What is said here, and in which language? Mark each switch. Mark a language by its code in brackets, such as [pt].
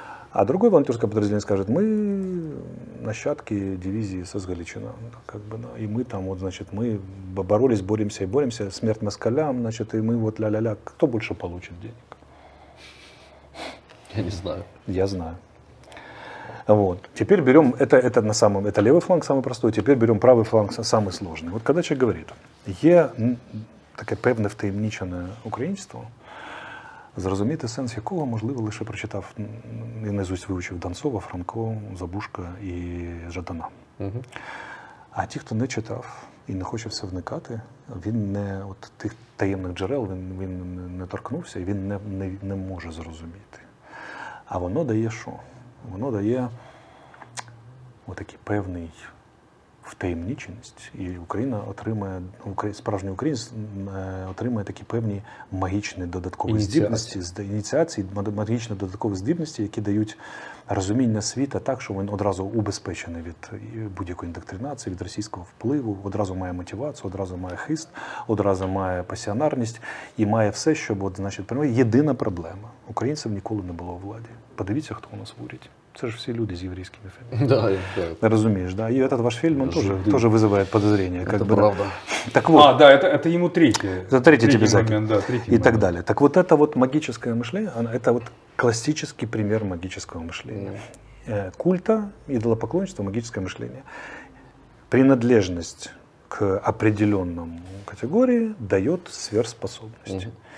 [ru] А другое волонтерское подразделение скажет, мы нащадки дивизии Сосгаличина, как бы, и мы там, вот, значит, мы боролись, боремся и боремся, смерть москалям, значит, и мы вот ля-ля-ля, кто больше получит денег? Я не знаю. Я знаю. Вот. Теперь берем, это левый фланг самый простой, теперь берем правый фланг самый сложный. Вот когда человек говорит, [uk] є таке певне втаємничене українство, зрозуміти сенс якого, можливо, лише прочитав і наизусть вивчив Донцова, Франко, Забушка і Жадана. А ті, хто не читав і не хоче все вникати, він не от тих таємних джерел, він не торкнувся, і він не може зрозуміти. А воно дає що? Воно дає отакий певний втаємниченість. І Україна отримає, справжній українець отримає такі певні магічні додаткові здібності, ініціації, магічні додаткові здібності, які дають розуміння світа так, що він одразу убезпечений від будь-якої індоктринації, від російського впливу, одразу має мотивацію, одразу має хист, одразу має пасіонарність і має все, щоб, от, значить, єдина проблема. Українців ніколи не було у владі. Подивіться, хто у нас в уряді. Це ж всі люди з єврейськими фамиліями. Да, розумієш, да? [ru] І этот ваш фільм, он тоже вызывает тоже подозрения, как бы. Правда. Так вот. А, да, это [uk] йому третє. Це третє тебе за. І так далі. [ru] Так вот это вот магическое мышление, это вот классический пример магического мышления. Культа, идолопоклонничества, магическое мышление. Принадлежность к определенному категории дает сверхспособности.